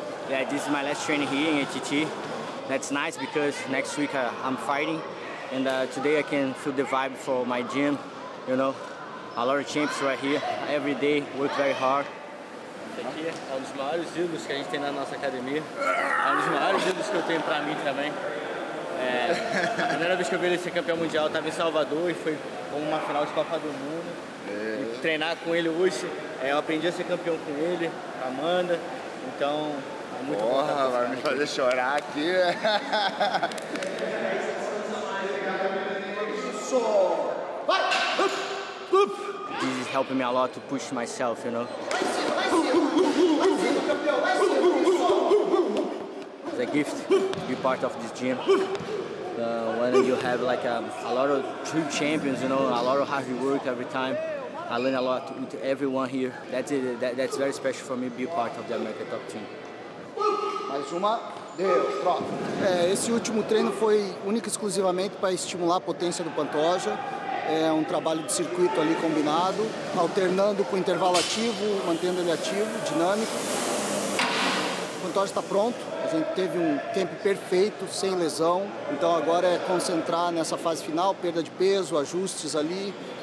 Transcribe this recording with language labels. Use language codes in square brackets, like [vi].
[en] Yeah, this is my last training here in ATT. That's nice because next week I'm fighting. And today I can feel the vibe for my gym. You know, a lot of champs right here. Every day, work very hard. This is one of the biggest ídolos that we have in our academy. One of the biggest ídolos that I have for me [pt] também. A primeira vez que eu vi ele ser campeão mundial, estava em Salvador e foi como uma final de Copa do Mundo. E treinar com ele hoje, eu aprendi a ser campeão com ele, com a Amanda. Então, é muito bom. Porra, vai me fazer chorar aqui. So, vai! [en] This is helping me a lot to push myself, you know? A gift to be part of this gym. When you have like a lot of true champions, you know, a lot of hard work every time. I learn a lot with everyone here. That's it. That's very special for me to be part of the America Top Team. [pt] Mais uma, deu, troca. Esse último treino foi único exclusivamente para estimular a potência do Pantoja. É um trabalho de circuito ali combinado, alternando com intervalo ativo, mantendo ele ativo, dinâmico. O Pantoja está pronto. A gente teve um tempo perfeito, sem lesão. Então agora é concentrar nessa fase final, perda de peso, ajustes ali.